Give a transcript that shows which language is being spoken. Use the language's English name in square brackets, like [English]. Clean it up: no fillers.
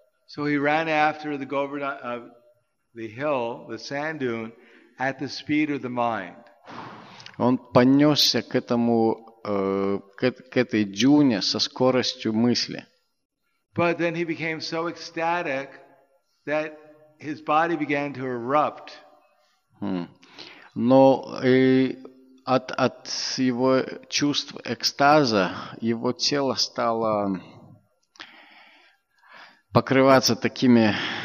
[English] So he ran after the Govardhan of the hill, the sand dune, at the speed of the mind. [Russian] Он понесся к этому к этой дюне со скоростью мысли. [English] But then he became so ecstatic that his body began to erupt. [Russian] Но от его чувств экстаза его тело стало покрываться такими